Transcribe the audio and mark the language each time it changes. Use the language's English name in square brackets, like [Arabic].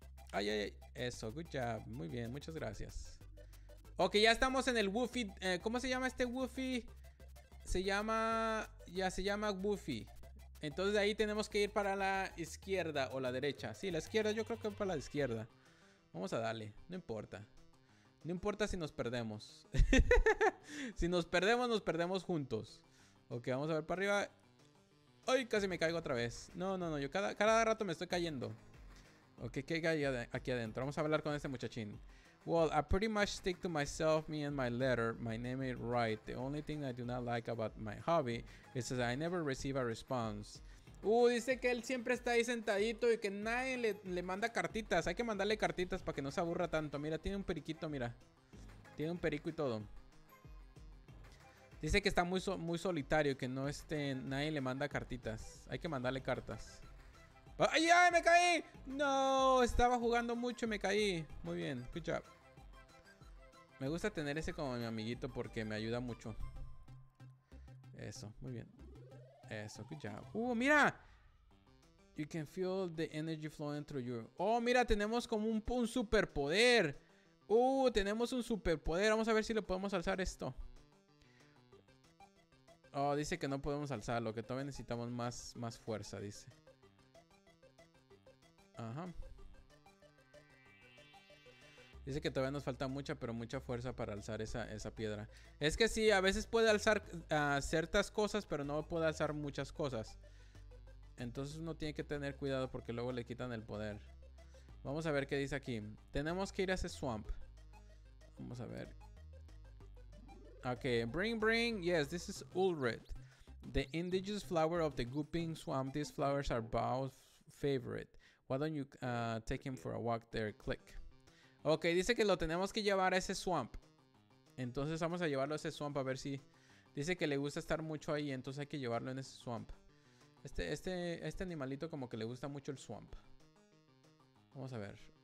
[Spanish] Ay, ay, ay. Eso, [English] good job. [Spanish] Muy bien, muchas gracias. Ok, ya estamos en el Woofy. ¿Cómo se llama este Woofy? Se llama Woofy. Entonces de ahí tenemos que ir para la izquierda o la derecha. Sí, la izquierda, yo creo que para la izquierda. Vamos a darle, no importa. No importa si nos perdemos. Si nos perdemos, nos perdemos juntos. Ok, vamos a ver para arriba. Ay, casi me caigo otra vez. No, yo cada rato me estoy cayendo. Ok, ¿qué hay aquí adentro? Vamos a hablar con este muchachín. [English] Well, I pretty much stick to myself, me and my letter. My name is Wright. The only thing I do not like about my hobby is that I never receive a response. [Spanish] Dice que él siempre está ahí sentadito y que nadie le manda cartitas. Hay que mandarle cartitas para que no se aburra tanto. Mira, tiene un periquito, mira. Tiene un perico y todo. Dice que está muy solitario, que no nadie le manda cartitas. Hay que mandarle cartas. ¡Ay, ay, me caí! ¡No! Estaba jugando mucho y me caí. Muy bien, [English] good job. [Spanish] Me gusta tener ese como mi amiguito porque me ayuda mucho. Eso, muy bien. Eso, [English] good job. [Spanish] ¡Mira! [English] You can feel the energy flowing through you. [Spanish] ¡Oh, mira! Tenemos como un superpoder. Tenemos un superpoder. Vamos a ver si le podemos alzar esto. Oh, dice que no podemos alzarlo, que todavía necesitamos más fuerza, dice. Ajá. Dice que todavía nos falta mucha, pero mucha fuerza para alzar esa piedra. Es que sí, a veces puede alzar ciertas cosas, pero no puede alzar muchas cosas. Entonces uno tiene que tener cuidado porque luego le quitan el poder. Vamos a ver qué dice aquí. Tenemos que ir a ese swamp. Vamos a ver. Ok, bring. [English] Yes, this is Ulred, the indigenous flower of the Gooping Swamp. These flowers are Bao's favorite. Why don't you take him for a walk there? Click. [Spanish] Ok, dice que lo tenemos que llevar a ese swamp. Entonces vamos a llevarlo a ese swamp a ver si... Dice que le gusta estar mucho ahí, entonces hay que llevarlo en ese swamp. Este animalito como que le gusta mucho el swamp. Vamos a ver.